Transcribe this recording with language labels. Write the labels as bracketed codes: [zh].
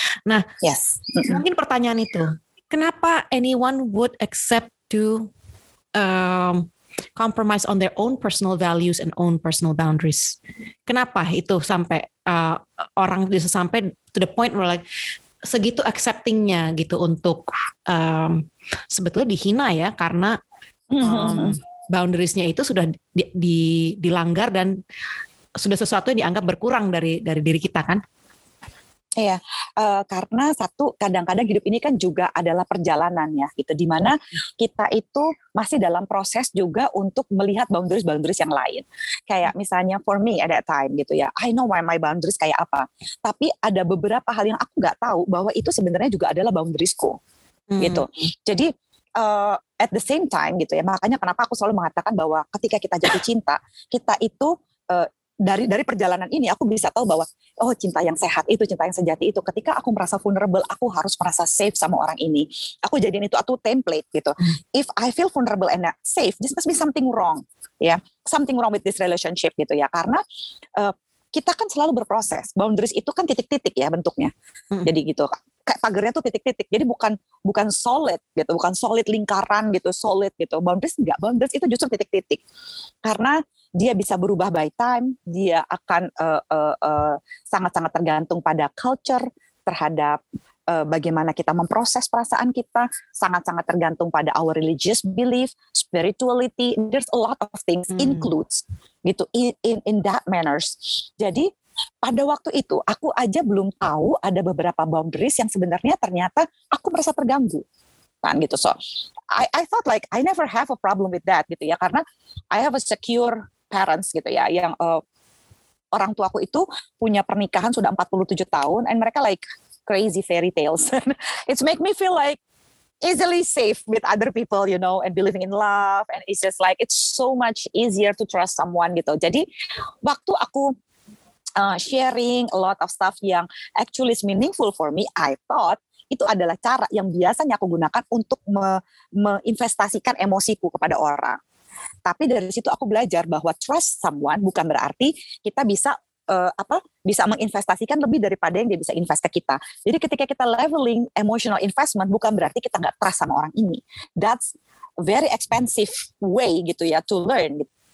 [id] Nah, mungkin pertanyaan itu, kenapa [en] anyone would accept to compromise on their own personal values and own personal boundaries? [id] Kenapa itu sampai orang bisa sampai [en] to the point where like [id] segitu acceptingnya gitu untuk sebetulnya dihina ya, karena boundariesnya itu sudah dilanggar dan sudah sesuatu yang dianggap berkurang dari diri kita kan? Iya, karena satu, kadang-kadang hidup ini kan juga adalah perjalanan ya, gitu, dimana kita itu masih dalam proses juga untuk melihat boundaries-boundaries yang lain. Kayak misalnya [en] for me at that time [id] gitu ya, [en] I know why my boundaries [id] kayak apa, tapi ada beberapa hal yang aku gak tahu bahwa itu sebenarnya juga adalah boundariesku, gitu. Jadi at the same time gitu ya, makanya kenapa aku selalu mengatakan bahwa ketika kita jatuh cinta, kita itu dari perjalanan ini aku bisa tahu bahwa oh, cinta yang sehat itu, cinta yang sejati itu ketika aku merasa vulnerable, aku harus merasa safe sama orang ini. Aku jadiin itu atau template gitu. [en] If I feel vulnerable and not safe, this must be something wrong. [id] Ya, [en] yeah, something wrong with this relationship [id] gitu ya. Karena kita kan selalu berproses. Boundaries itu kan titik-titik ya bentuknya. Jadi gitu. Kayak pagernya tuh titik-titik. Jadi bukan solid gitu, bukan solid lingkaran gitu, solid gitu. Boundaries enggak. Boundaries itu justru titik-titik. Karena dia bisa berubah [en] by time, [id] dia akan sangat-sangat tergantung pada culture, terhadap bagaimana kita memproses perasaan kita, sangat-sangat tergantung pada [en] our religious belief, spirituality, there's a lot of things includes gitu in that manners. [id] Jadi pada waktu itu aku aja belum tahu ada beberapa boundaries yang sebenarnya ternyata aku merasa terganggu. Kan gitu. [en] So I thought like I never have a problem with that [id] gitu ya, karena I have a secure parents gitu ya, yang orang tuaku itu punya pernikahan sudah 47 tahun [en] and [id] mereka [en] like crazy fairy tales. It's make me feel like easily safe with other people, you know, and believing in love, and it's just like it's so much easier to trust someone gitu. [id] Jadi waktu aku [en] sharing a lot of stuff [id] yang [en] actually is meaningful for me, I thought [id] itu adalah cara yang biasanya aku gunakan untuk menginvestasikan emosiku kepada orang. Tapi dari situ aku belajar bahwa [en] trust someone [id] bukan berarti kita bisa bisa menginvestasikan lebih daripada yang dia bisa invest ke kita. Jadi ketika kita [en] leveling emotional investment [id] bukan berarti kita nggak trust sama orang ini. [en] That's very expensive way [id] gitu ya [en] to learn.